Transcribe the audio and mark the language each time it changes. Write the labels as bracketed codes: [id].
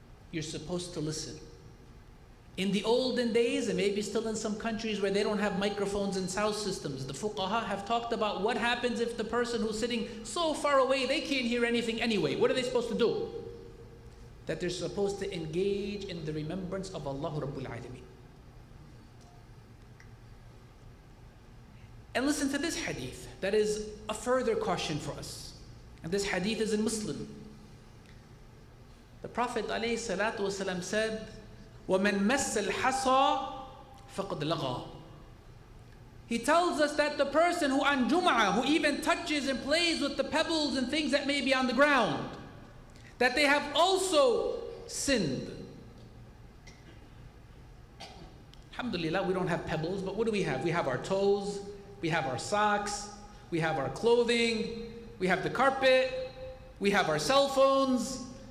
[en] You're supposed to listen. In the olden days, and maybe still in some countries where they don't have microphones and sound systems, the fuqaha have talked about what happens if the person who's sitting so far away, they can't hear anything anyway. What are they supposed to do? That they're supposed to engage in the remembrance of Allah Rabbul Alameen. And listen to this hadith. That is a further caution for us. And this hadith is in Muslim. The Prophet ﷺ said, [ar] وَمَنْ مَسَّ الْحَصَى فَقَدْ لَغَى. [en] He tells us that the person who on Jumu'ah, who even touches and plays with the pebbles and things that may be on the ground, that they have also sinned. Alhamdulillah, we don't have pebbles, but what do we have? We have our toes, we have our socks, we have our clothing, we have the carpet, we have our cell phones.